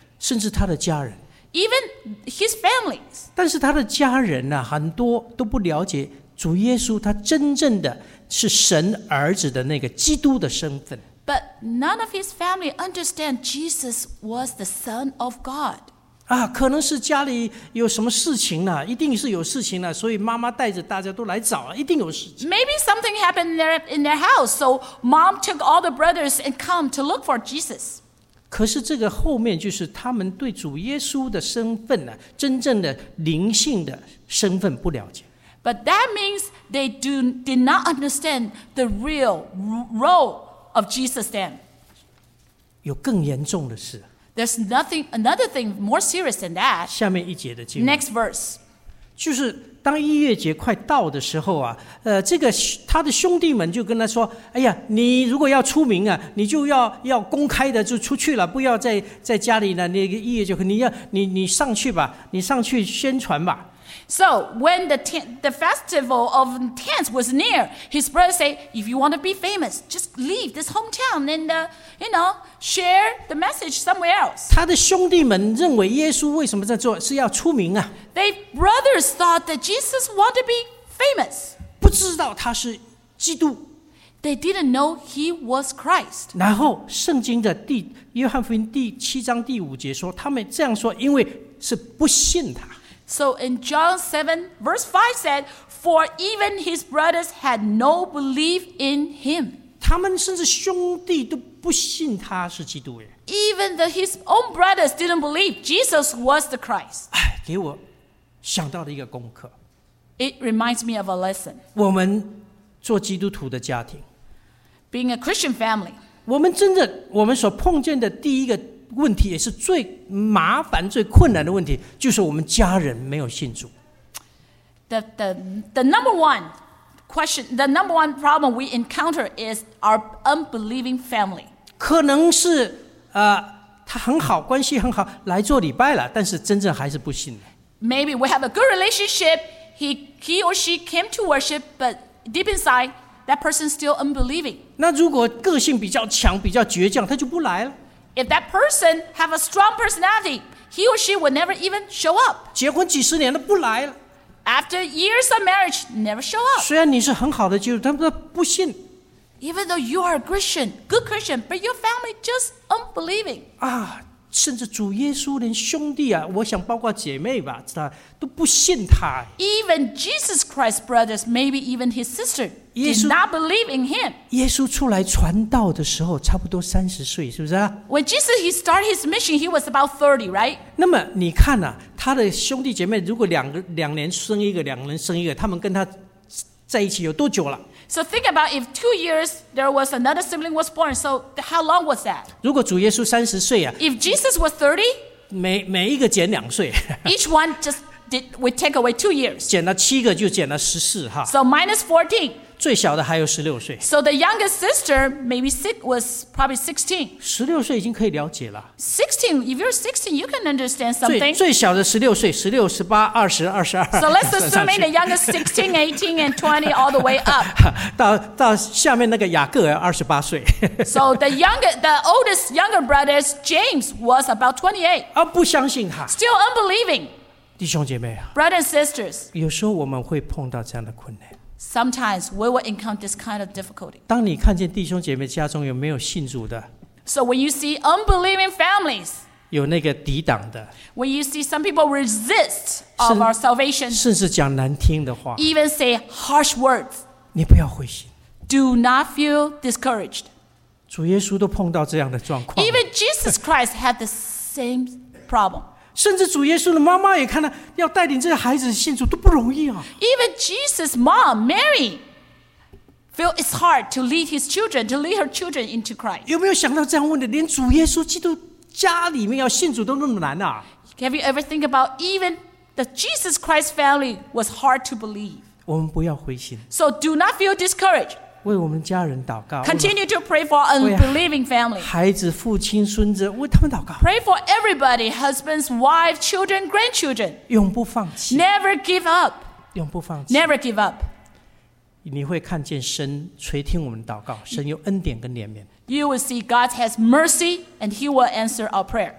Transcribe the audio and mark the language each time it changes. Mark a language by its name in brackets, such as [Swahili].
[Chinese] 甚至他的家人。 [English] Even his families. [Chinese] 但是他的家人呢，很多都不了解主耶稣他真正的是神儿子的那个基督的身份。 [English] But none of his family understand Jesus was the Son of God. [Chinese] 啊，可能是家里有什么事情了，一定是有事情了，所以妈妈带着大家都来找，一定有事情。 [English] Maybe something happened in their house, so mom took all the brothers and come to look for Jesus. [Chinese] 可是这个后面就是他们对主耶稣的身份呢，真正的灵性的身份不了解。 [English] But that means they did not understand the real role of Jesus then. [Chinese] 有更严重的事。 [English] There's nothing, another thing more serious than that. [Chinese] 下面一节的经文。 [English] Next verse. [Chinese] 就是当逾越节快到的时候啊，这个他的兄弟们就跟他说，哎呀，你如果要出名啊，你就要公开的就出去了，不要在家里呢，那个逾越节，你上去吧，你上去宣传吧。 [English] So when the festival of tents was near, his brother said, "If you want to be famous, just leave this hometown and share the message somewhere else." [Chinese] 他的兄弟们认为耶稣为什么在做是要出名啊 [English] ？Their brothers thought that Jesus wanted to be famous. [Chinese] 不知道他是基督。 [English] They didn't know he was Christ. [Chinese] 然后圣经的第约翰福音第七章第五节说，他们这样说，因为是不信他。 [English] So in John 7, verse 5 said, For even his brothers had no belief in him. [Chinese] 他们甚至兄弟都不信他是基督耶。 [English] Even his own brothers didn't believe Jesus was the Christ. [Chinese] 哎，给我想到了一个功课。 [English] It reminds me of a lesson. [Chinese] 我们做基督徒的家庭。 [English] Being a Christian family. [Chinese] 我们所碰见的第一个问题也是最麻烦最困难的问题就是我们家人没有信主 [English] the number one question the number one problem we encounter is our unbelieving family [Chinese] 可能是他很好关系很好来做礼拜了但是真正还是不信 [English] maybe we have a good relationship he or she came to worship but deep inside that person still unbelieving [Chinese] 那如果个性比较强比较倔强他就不来了 [English] If that person have a strong personality, he or she would never even show up. [Chinese] 结婚几十年了不来了。 [English] After years of marriage, never show up. [Chinese] 虽然你是很好的基督徒，但是不信。 [English] Even though you are a Christian, good Christian, but your family just unbelieving. [Chinese] 啊，甚至主耶稣连兄弟啊，我想包括姐妹吧，他都不信他。 [English] Even Jesus Christ's brothers, maybe even his sister, did not believe in him. [Chinese] 耶稣出来传道的时候，差不多三十岁，是不是啊 [English] ？When Jesus he started his mission, he was about 30, right? [Chinese] 那么你看啊，他的兄弟姐妹如果两年生一个，两年生一个，他们跟他在一起有多久了？ [English] So think about if 2 years there was another sibling was born. So how long was that? [Chinese] 如果主耶稣三十岁啊 [English] ，If Jesus was 30, [Chinese] 每一个减两岁 [English] ，Each one just did we take away 2 years. [Chinese] 减了七个就减了十四哈。 [English] So minus 14. [Chinese] 最小的还有十六岁。 [English] So the youngest sister maybe six was probably 16. [Chinese] 十六岁已经可以了解了。 [English] 16, if you're 16, you can understand something. [Chinese] 最小的十六岁，十六、十八、二十、二十二。 [English] So let's assume the youngest 16, 18, and 20 all the way up. [Chinese] 到下面那个雅各二十八岁。 [English] So the oldest younger brothers James was about 28. [Chinese] 啊，不相信他。 [English] Still unbelieving. [Chinese] 弟兄姐妹啊。 [English] Brothers and sisters. [Chinese] 有时候我们会碰到这样的困难。 [English] Sometimes we will encounter this kind of difficulty. [Chinese] 当你看见弟兄姐妹家中有没有信主的 [English] ？So when you see unbelieving families, [Chinese] 有那个抵挡的 [English] ？When you see some people resist of our salvation, [Chinese] 甚至讲难听的话 [English] ，even say harsh words, [Chinese] 你不要灰心。 [English] Do not feel discouraged. [Chinese] 主耶稣都碰到这样的状况。 [English] Even Jesus Christ had the same problem. [Chinese] 甚至主耶稣的妈妈也看到要带领这些孩子信主都不容易啊。 [English] Even Jesus' mom, Mary, feel it's hard to lead his children, to lead her children into Christ. [Chinese] 有没有想到这样问的？连主耶稣基督家里面要信主都那么难啊 [English] ？Have you ever think about even the Jesus Christ family was hard to believe? [Chinese] 我们不要灰心。 [English] So do not feel discouraged. [Chinese] 为我们家人祷告。 [English] Continue to pray for unbelieving family. [Chinese] 孩子、父亲、孙子，为他们祷告。 [English] Pray for everybody: husbands, wives, children, grandchildren. [Chinese] 永不放弃。 [English] Never give up. [Chinese] 永不放弃。 [English] Never give up. [Chinese] 你会看见神垂听我们祷告，神有恩典跟怜悯。 [English] You will see God has mercy and He will answer our prayer.